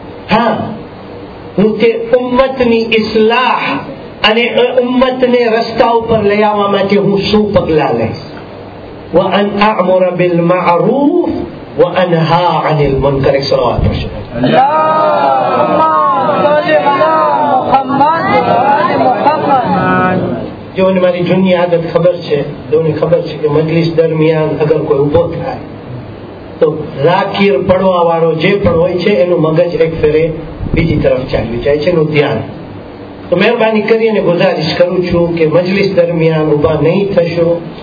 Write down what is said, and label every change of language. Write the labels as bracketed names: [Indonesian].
[Gujarati] હા, હું તે ઉમ્મતની ઇસ્લાહ અને ઉમ્મતને રસ્તા ઉપર લઈ આવવા માટે હું શું પગલાં લઈશ? [Arabic] વઅન અમુર બિલ મઅરૂફ وانهى عن المنكر. الصلوات اللهم صل على محمد وعلى محمد. [Gujarati] જોને મારી જૂની આદત ખબર છે, દોને ખબર છે કે મજલિસ દરમિયાન અગર કોઈ ઉભો થાય તો રાકીર પડવા વાળો જે પણ હોય છે એનું મગજ એક ફેરે બીજી તરફ ચાલ્યું જાય છે, એનું ધ્યાન. તો મહેરબાની કરીને ગુજારિશ કરું છું કે મજલિસ દરમિયાન ઉભા નહીં થશો.